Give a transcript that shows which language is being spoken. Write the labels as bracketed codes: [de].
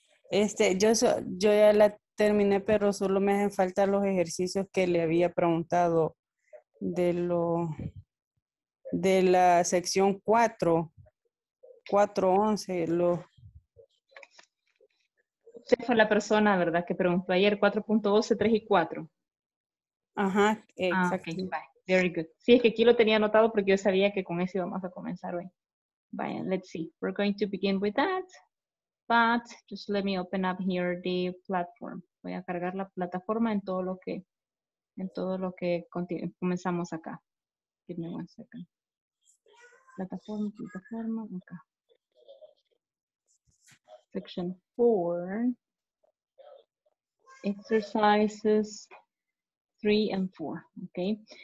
[es] Yo ya la terminé, pero solo me hacen falta los ejercicios que le había preguntado de la sección 4.11. Usted fue la persona, ¿verdad?, que preguntó ayer, 4.11, 3 y 4. Ajá, [en] exacto. Ah, okay. Very good. [es] Sí, es que aquí lo tenía anotado porque yo sabía que con eso íbamos a comenzar hoy. [en] Bye, let's see. We're going to begin with that. But just let me open up here the platform. [es] Voy a cargar la plataforma en todo lo que comenzamos acá. [en] Give me one second. [es] Plataforma, acá. [en] Section 4. Exercises 3 and 4, okay.